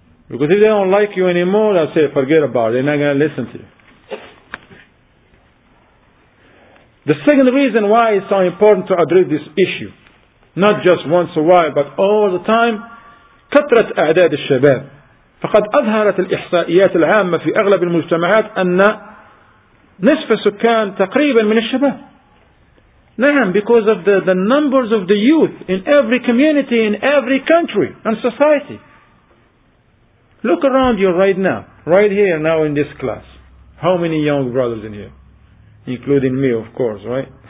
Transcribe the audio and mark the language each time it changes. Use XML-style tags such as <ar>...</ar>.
<en>Because if they don't like you anymore, they'll say, forget about it. They're not going to listen to you. The second reason why it's so important to address this issue, not just once a while, but all the time,</en> <ar>كثرت أعداد الشباب. فقد أظهرت الإحصائيات العامة في أغلب المجتمعات أن نصف سكان تقريبا من الشباب. نعم,</ar> <en>because of the numbers of the youth in every community, in every country and society. Look around you right now, right here now in this class. How many young brothers in here? Including me, of course, right?</en>